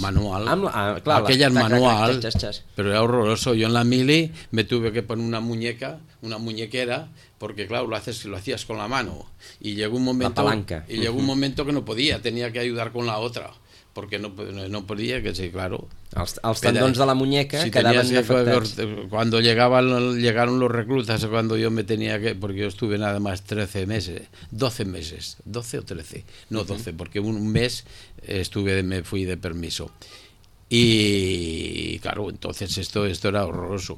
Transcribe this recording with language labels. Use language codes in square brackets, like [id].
[ca] Manual. Clar, aquella era manual, però era horroroso. [es] Jo en la mili me tuve que poner una muñequera, porque claro, lo hacías con la mano. Y llegó un momento... La palanca. Y llegó un momento que no podía, tenía que ayudar con la otra. Porque no podía, que sí, claro. [ca] Els tendons de la muñeca si quedaven afectats. [es] Cuando llegaron los reclutas, cuando yo me tenía que... Porque yo estuve nada más 13 meses, 12 meses, 12 o 13, no 12, porque un mes me fui de permiso. Y claro, entonces esto era horroroso.